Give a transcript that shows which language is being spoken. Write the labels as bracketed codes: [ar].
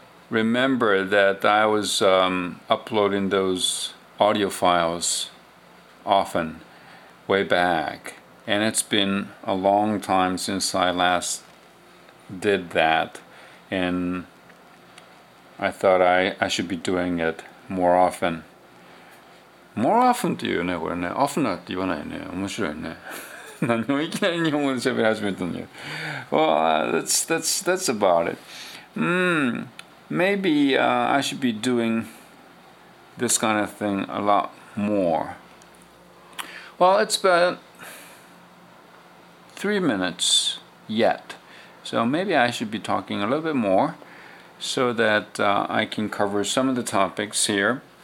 [en] remember that I was uploading those audio files often way back, and it's been a long time since I last did that, and I thought I should be doing it more often. More often [ja] って言うね、これね。Often なって言わないね。面白いね。何もいきなり日本語で喋り始めたのよ。 [en] Well, that's about it. Maybe I should be doing this kind of thing a lot more. Well, it's about 3 minutes yet. So maybe I should be talking a little bit more so that I can cover some of the topics here.